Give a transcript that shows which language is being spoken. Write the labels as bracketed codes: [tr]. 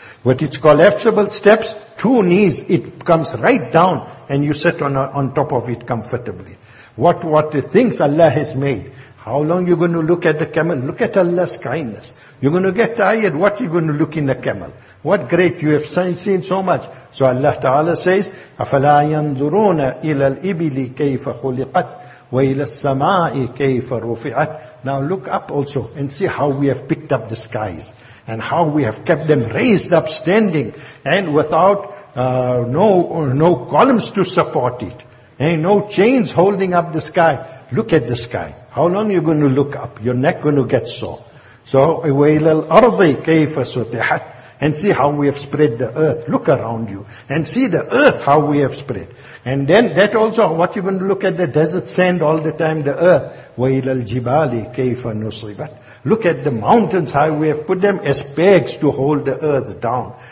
[en] With its collapsible steps, 2 knees, it comes right down and you sit on top of it comfortably. What the things Allah has made. How long you going to look at the camel? Look at Allah's kindness. You're going to get tired. What are you going to look in the camel? What great you have seen so much. [ar] So Allah Ta'ala says, أَفَلَا يَنْظُرُونَ إِلَى الْإِبِلِ كَيْفَ خُلِقَتْ وَإِلَى السَّمَاءِ كَيْفَ رُفِعَتْ. [en] Now look up also and see how we have picked up the skies and how we have kept them raised up standing and without no columns to support it. Ain't no chains holding up the sky. Look at the sky. How long are you going to look up? Your neck going to get sore. [ar] So, وَإِلَى الْأَرْضِ كَيْفَ سُطِحَتْ. [en] And see how we have spread the earth. Look around you. And see the earth, how we have spread. And then that also, what you're going to look at the desert sand all the time, the earth. [ar] وَإِلَى الْجِبَالِ كَيْفَ نُصِبَتْ. [en] Look at the mountains, how we have put them as pegs to hold the earth down.